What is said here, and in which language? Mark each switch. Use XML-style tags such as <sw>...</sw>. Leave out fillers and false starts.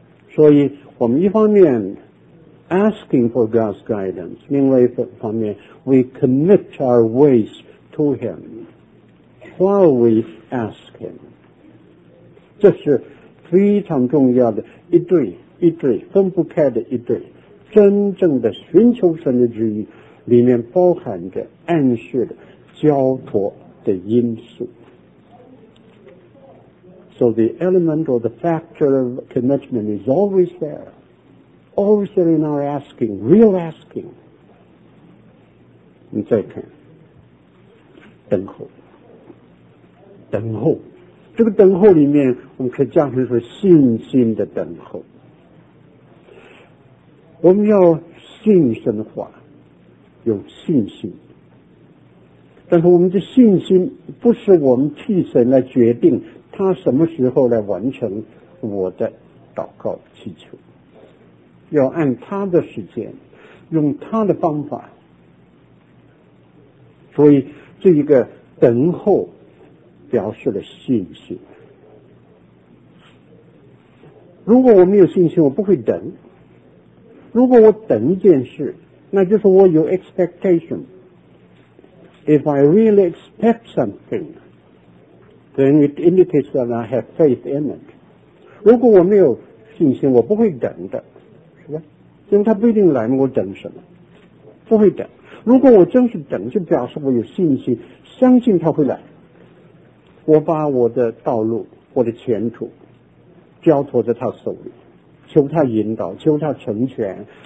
<zh>所以我们一方面</zh> <en>asking for God's guidance，</en> <zh>另外一方面</zh> <en>we commit our ways to him while we ask him，</en> <zh>这是非常重要的一对，一对分不开的一对。真正的寻求神的旨意里面包含着暗示的交托的因素。</zh> <en>So the element or the factor of commitment is always thereAlways there in our asking, real asking.</en> <zh>你再看，等候，等候，这个等候里面，我们可以加上说信心的等候。我们要信神的话，有信心，但是我们的信心不是我们替神来决定他什么时候来完成我的祷告祈求。要按他的时间，用他的方法。所以这一个等候表示了信心。如果我没有信心，我不会等。如果我等一件事，那就是我有 expectation。</zh> <en>If I really expect something, then it indicates that I have faith in it。</en> <zh>如果我没有信心，我不会等的，因为他不一定来，我等什么？不会等。如果我真是等，就表示我有信心，相信他会来。我把我的道路，我的前途交托在他手里，求他引导，求他成全。</zh>